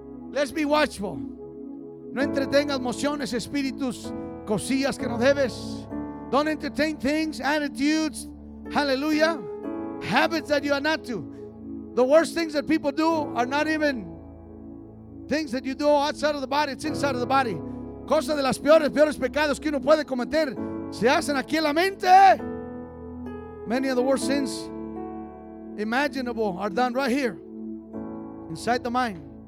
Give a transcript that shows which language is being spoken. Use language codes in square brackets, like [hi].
[en] Let's be watchful. [es] No entretengas emociones, espíritus, cosillas que no debes. [en] Don't entertain things, attitudes, hallelujah, habits that you are not to. The worst things that people do are not even things that you do outside of the body, it's inside of the body. [es] Cosas de las peores pecados que uno puede cometer se hacen aquí en la mente. [en] Many of the worst sins imaginable are done right here, inside the mind.